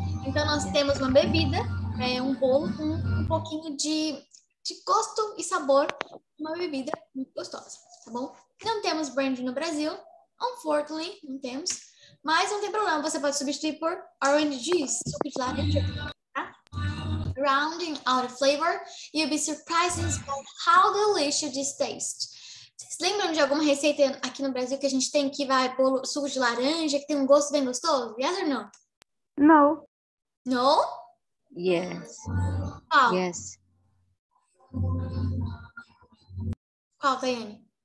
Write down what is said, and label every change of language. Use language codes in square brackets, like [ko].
[pt] Então nós temos uma bebida, um bolo com um pouquinho de gosto e sabor. Uma bebida muito gostosa, tá bom? Não temos brand no Brasil, unfortunately, não temos. Mas não tem problema, você pode substituir por orange juice, suco de laranja. [en] Rounding out of flavor, you'll be surprised by how delicious this taste. [pt] Vocês lembram de alguma receita aqui no Brasil que a gente tem que vai pôr suco de laranja, que tem um gosto bem gostoso? [en] Yes or no? No. No? Yes. [pt] Qual? [en] Yes. [pt] Qual, Thayane?